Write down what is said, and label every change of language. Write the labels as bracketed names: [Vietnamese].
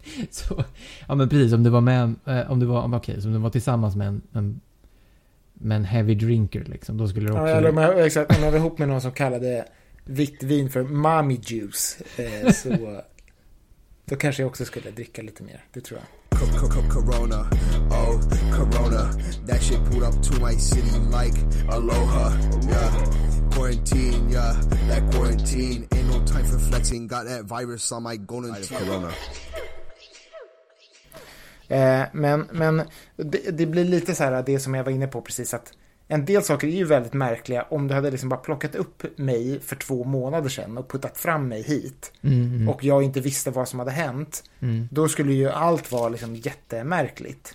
[Swedish] Så, ja, men precis, om du var med, om du var, okej, så om du var tillsammans med en heavy drinker liksom, då skulle du också, ja, eller exakt, om jag var ihop med någon som kallade vitt vin för mommy juice, så då kanske jag också skulle dricka lite mer, det tror jag. [English] Corona, oh corona, that shit pulled up to my city like aloha, yeah. Quarantine, yeah, that quarantine, ain't no time for flexing, got that virus on my golden corona. [Swedish] Men det blir lite så här, det som jag var inne på precis, att en del saker är ju väldigt märkliga. Om du hade liksom bara plockat upp mig för 2 månader sedan och puttat fram mig hit, och jag inte visste vad som hade hänt, då skulle ju allt vara liksom jättemärkligt.